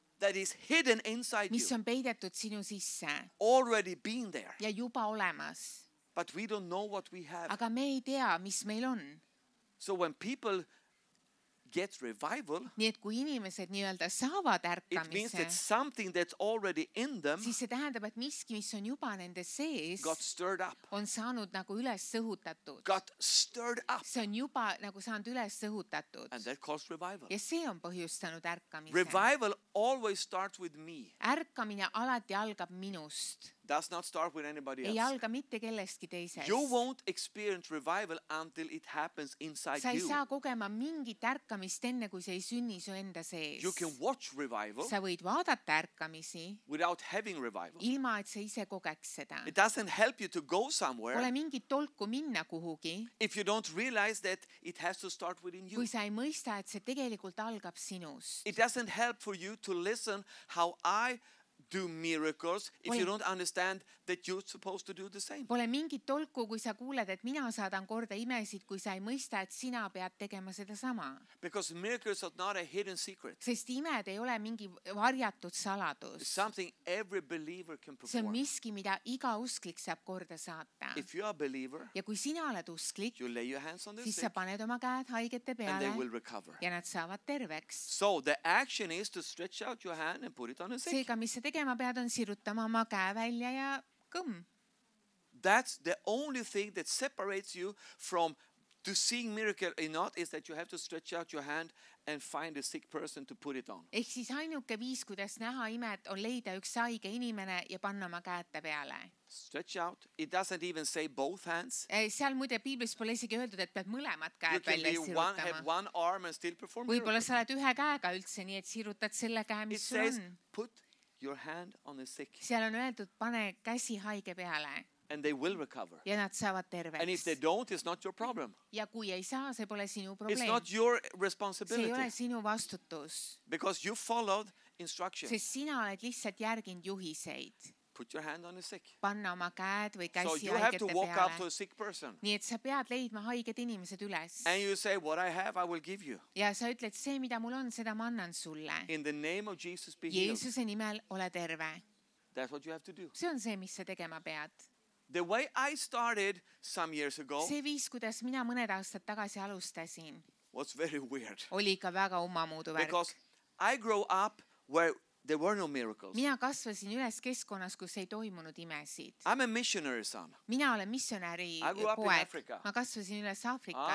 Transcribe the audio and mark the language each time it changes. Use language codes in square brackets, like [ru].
[en] That is hidden inside you. [et] Mis on peidetud sinu sisse. [en] Already been there. [et] Ja juba olemas. [en] But we don't know what we have. [et] Aga me ei tea, mis meil on. [en] So when people get revival, [et] nii et kui inimesed nii-öelda saavad ärkamise, [en] it means that something that's already in them, [et] siis see tähendab, et miski, mis on juba nende sees, [en] got stirred up. [et] On saanud nagu üles sõhutatud. [en] Got stirred up. [et] See on juba nagu saanud üles sõhutatud. [en] And that caused revival. [et] Ja see on põhjustanud ärkamise. [en] Revival always starts with me. [et] Ärkamine alati algab minust. [en] Does not start with anybody else. [et] Ei alga mitte kellestki teises. [en] You won't experience revival until it happens inside you. [et] Sa ei saa kogema mingit ärkamist enne, kui see ei sünni su enda sees. [en] You can watch revival. [et] Sa võid vaadata ärkamisi. [en] Without having revival. [et] Ilma, et sa ise kogeks seda. [en] It doesn't help you to go somewhere. [et] Ole mingit tolku minna kuhugi. [en] If you don't realize that it has to start within you. [et] Kui sa ei mõista, et see tegelikult algab sinust. [en] It doesn't help for you to listen how I do miracles if you don't understand that you're supposed to do the same. [et] Pole mingit tolku, kui sa kuuled, et mina saadan korda imesid, kui sa ei mõista, et sina pead tegema seda sama. [en] Because miracles are not a hidden secret. [et] Sest imed ei ole mingi varjatud saladus. [en] It's something every believer can perform. [et] See on miski, mida iga usklik saab korda saata. [en] If you are a believer, [et] ja kui sina oled usklik, [en] you lay your hands on the [et] siis [en] sick, [et] sa paned oma käed haigete peale, [en] and they will recover. [et] Ja nad saavad terveks. [en] So the action is to stretch out your hand and put it on the sick. [et] Seega, mis sa tegema ma pead on sirutama oma käe välja ja kõm. [en] That's the only thing that separates you from to seeing miracle or not is that you have to stretch out your hand and find a sick person to put it on. [et] Ehk siis ainuke viis, kuidas näha imet, on leida üks haige inimene ja panna oma käete peale. [en] Stretch out. It doesn't even say both hands. [et] Seal muide Biiblis pole isegi öeldud, et pead mõlemad käed välja sirutama. [en] You can have one arm and still perform miracle. [et] Võibolla sa oled ühe käega üldse, nii et sirutad selle käe, mis sul on. [en] It says put your hand on the sick. [et] Seal on öeldud, pane käsi haige peale. [en] And they will recover. [et] Ja nad saavad terveks. [en] And if they don't, it's not your problem. [et] Ja kui ei saa, see pole sinu probleem. [en] It's not your responsibility. [et] See ei ole sinu vastutus. [en] Because you followed instructions. [et] Sest sina oled lihtsalt järginud juhiseid. [en] Put your hand on the sick. [et] Panna oma käed või käsi haigete peale. [en] So you have to walk [et] peale [en] up to a sick person. [et] Nii et sa pead leidma haiged inimesed üles. [en] And you say, what I have, I will give you. [et] Ja sa ütled, see, mida mul on, seda ma annan sulle. [en] In the name of Jesus be healed. [et] Jeesuse nimel ole terve. [en] That's what you have to do. [et] See on see, mis sa tegema pead. [en] The way I started some years ago. [et] See viis, kuidas mina mõned aastad tagasi alustasin. [en] Was very weird. [et] Oli ikka väga omamoodu värk. [en] Because I grew up where there were no miracles. [et] Mina kasvasin üles keskkonnas, kus ei toimunud imesid. [en] I'm a missionary son. [et] Mina olen missionäri poeg. [en] I grew up in Africa. [et] Ma kasvasin üles Afrikas.